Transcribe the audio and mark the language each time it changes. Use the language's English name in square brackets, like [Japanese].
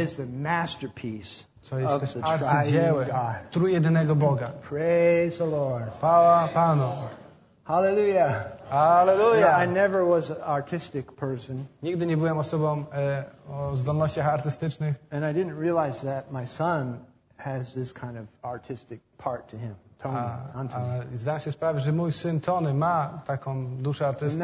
[English] Which is the masterpiece of [Polish] the arcydzieło trójjedynego Boga. [English] Praise the Lord. [Polish] Chwała Panu. [English] Hallelujah. [Polish] Hallelujah. [English] I never was an artistic person. [Polish] Nigdy nie byłem osobą o zdolnościach artystycznych. [English] And I didn't realize that my son has this kind of artistic part to him. [Polish] Tony, zdaje się sprawę, że mój syn Tony ma taką duszę artysty.